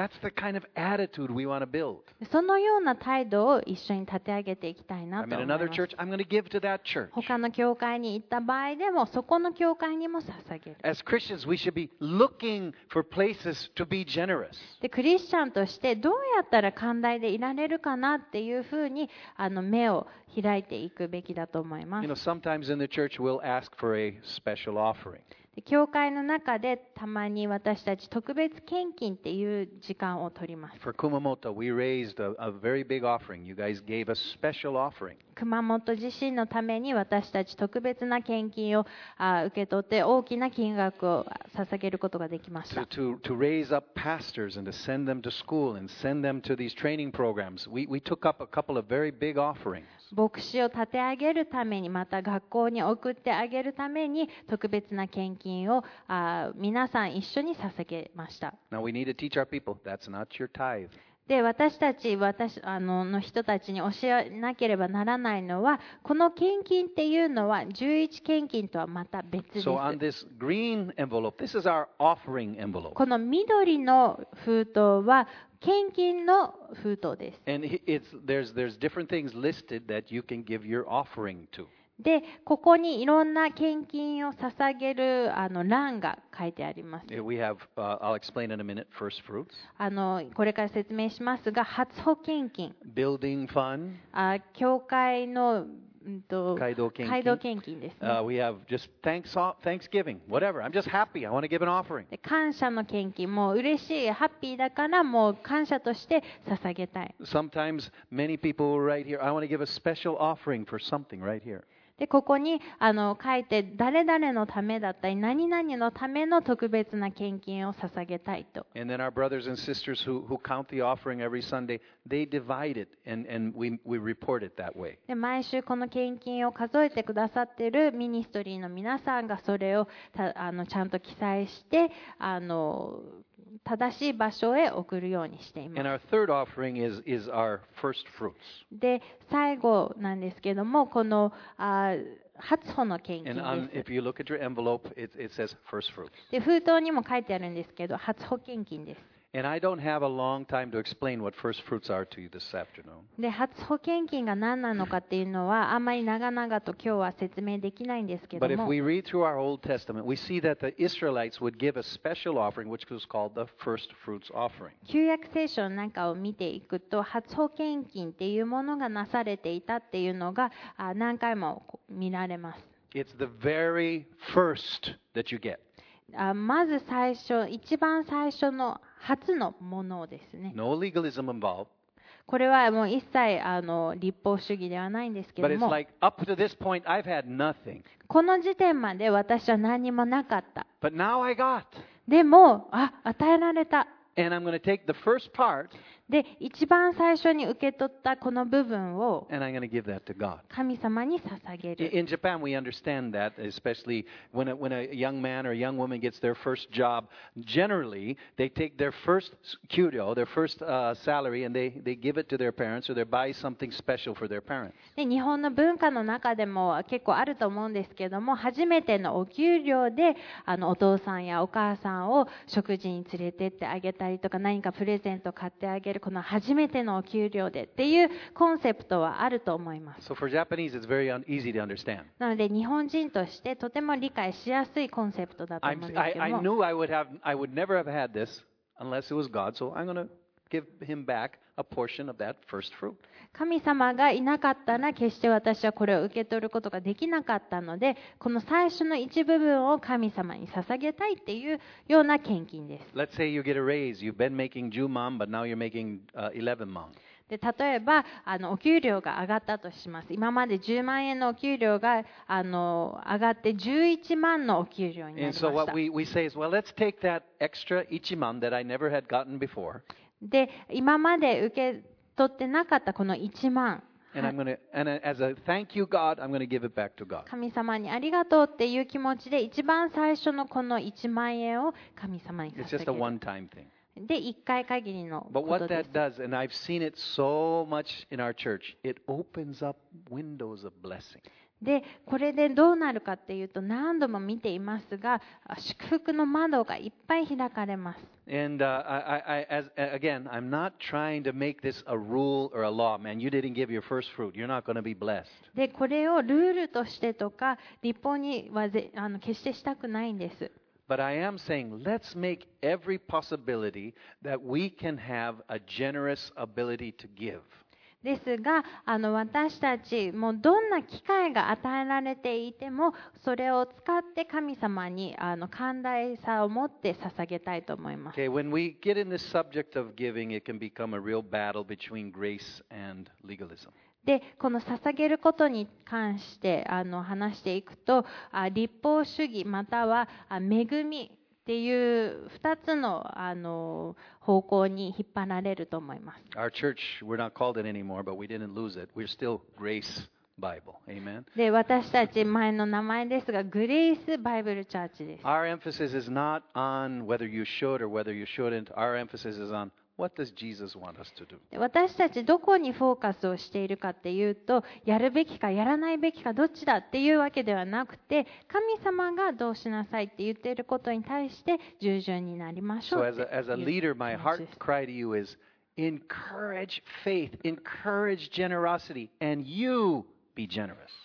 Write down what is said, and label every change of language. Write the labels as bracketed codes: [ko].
[en] That's the kind of attitude we want to build. [ja] そのような態度を一緒に立て上げていきたいなと思います。 [en] I'm in another church. I'm going to give to that church. [ja] 他の教会に行った場合でも、そこの教会にも捧げる。 [en] As Christians, we should be looking for places to be generous. [ja] で、クリスチャンとしてどうやったら寛大でいられるかなっていうふうに目を開いていくべきだと思います。 [en] You know, sometimes in the church we'll ask for a special offering. [ja] 教会の中でたまに私たち特別献金っていう時間を取ります。 [en] For Kumamoto, we raised a very big offering. You guys gave a special offering. [ja] 熊本地震のために私たち特別な献金を受け取って大きな金額を捧げることができました。 [en] To raise up pastors and to send them to school and send them to these training programs, we took up a couple of very big offerings. [ja] 牧師を立て上げるためにまた学校に送ってあげるために特別な献金を皆さん一緒に捧げました。 [en] Now we need to teach our people. That's not your tithe. [ja] で私たち私の人たちに教えなければならないのはこの献金っていうのは11献金とはまた別です。 [en] So on this green envelope, this is our offering envelope. [ja] この緑の封筒は献金の封筒です。 [en] And it's there's different things listed that you can give your offering to. [ja] で、ここにいろんな献金を捧げるあの欄が書いてあります。 [en] I'll explain in a minute, first fruits. [ja] あのこれから説明しますが、初歩献金、 [en] Building Fund、 [ja] 教会の街道献金、献金ですね。 [en] We have just thanksgiving, whatever. I'm just happy. I want to give an offering. [ja] で、感謝の献金、もう嬉しい、ハッピーだからもう感謝として捧げたい。 [en] Sometimes many people write here, I want to give a special offering for something right here. [ja] でここにあの書いて誰々のためだったり何々のための特別な献金を捧げたいと。 [en] And then our brothers and sisters who count the offering every Sunday, they divide it and we report it that way. [ja] で毎週この献金を数えてくださっているミニストリーの皆さんがそれをあのちゃんと記載してあの正しい場所へ送るようにしています。 [en] And our third offering is our first fruits. [ja] で、最後なんですけども、この初歩の献金です。 [en] And if you look at your envelope, it says first fruits. [ja] で、封筒にも書いてあるんですけど、初歩献金です。 [en] And I don't have a long time to explain what first fruits are to you this afternoon. [ja] で、初歩献金が何なのかっていうのはあまり長々と今日は説明できないんですけども。 [en] But if we read through our Old Testament, we see that the Israelites would give a special offering, which was called the first fruits offering. [ja] 旧約聖書の中を見ていくと、初歩献金っていうものがなされていたっていうのが何回も見られます。 [en] It's the very first that you get. [ja] まず最初、一番最初の初のものですね。 [en] No legalism involved. [ja] これはもう一切あの立法主義ではないんですけども。 [en] But it's like up to this point, I've had nothing. [ja] この時点まで私は何もなかった。 [en] But now I got. [ja] でも、あ、与えられた。 [en] And I'm going to take the first part. [ja] で、一番最初に受け取ったこの部分を。 [en] And I'm going to give that to God. [ja] 神様に捧げる。 [en] In Japan, we understand that, especially when a young man or a young woman gets their first job. Generally, they take their first kyūryō, their first salary, and they give it to their parents or they buy something special for their parents. [ja] で、日本の文化の中でも結構あると思うんですけども、初めてのお給料で、あのお父さんやお母さんを食事に連れてってあげたりとか何かプレゼント買ってあげるこの初めてのお給料でっていうコンセプトはあると思います。 [en] So for Japanese, it's very easy to understand. [ja] なので日本人としてとても理解しやすいコンセプトだと思うんですけども。 [en] I knew I would never have had this unless it was God. So I'm gonna give him back a portion of that first fruit. [ja] 神様がいなかったら決して私はこれを受け取ることができなかったのでこの最初の一部分を神様に捧げたいっていうような献金です。 [en] Let's say you get a raise. You've been making 10 mon, but now you're making 11 mon. [ja] で例えばあのお給料が上がったとします。今まで10万円のお給料があの上がって11万のお給料になりました。 [en] And so what we say is, well, let's take that extra 1 万 that I never had gotten before. [ja] で今まで受け取ってなかったこの1万。 [en] And I'm gonna, and as a thank you, God, I'm gonna give it back to God. [ja] 神様にありがとうっていう気持ちで一番最初のこの1万円を神様に捧げる。 [en] It's just a one-time thing. [ja] で一回限りのことです。 [en] But what that does, and I've seen it so much in our church, it opens up windows of blessing. [ja] で、これでどうなるかっていうと、何度も見ていますが、祝福の窓がいっぱい開かれます。 [en] And again, I'm not trying to make this a rule or a law. Man, you didn't give your first fruit. You're not going to be blessed. [ja] で、これをルールとしてとか、立法にはあの決してしたくないんです。 [en] But I am saying, let's make every possibility that we can have a generous ability to give. [ja] ですが、あの私たちもどんな機会が与えられていても、それを使って神様にあの寛大さを持って捧げたいと思います。 [en] Okay, when we get in this subject of giving, it can become a real battle between grace and legalism. [ja] でこの捧げることに関してあの話していくと立法主義または恵みっていう二つの方向に引っ張られると思います。 [en] Our church, we're not called it anymore, but we didn't lose it. We're still Grace Bible. Amen. [ja] で私たち前の名前ですがグレイスバイブルチャーチです。 [en] Our emphasis is not on whether you should or whether you shouldn't. Our emphasis is on. What does Jesus want us to do? [ja] 私たちどこにフォーカスをしているかっていうとやるべきかやらないべきかどっちだっていうわけではなくて神様がどうしなさいって言っていることに対して従順になりましょうって言っている。 [en] So as a leader, my heart cry to you is encourage faith, encourage generosity, and you be generous.